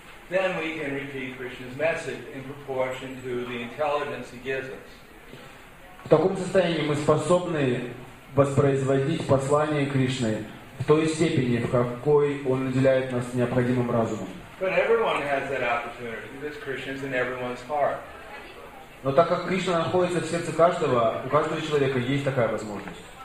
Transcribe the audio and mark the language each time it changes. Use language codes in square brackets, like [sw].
[en] Then we can repeat Krishna's message in proportion to the intelligence he gives us. [ru] В таком состоянии мы способны воспроизводить послание Кришны в той степени, в какой он наделяет нас необходимым разумом. [en] But everyone has that opportunity because Krishna's in everyone's heart. [ru] Но так как Кришна находится в сердце каждого, у каждого человека есть такая возможность.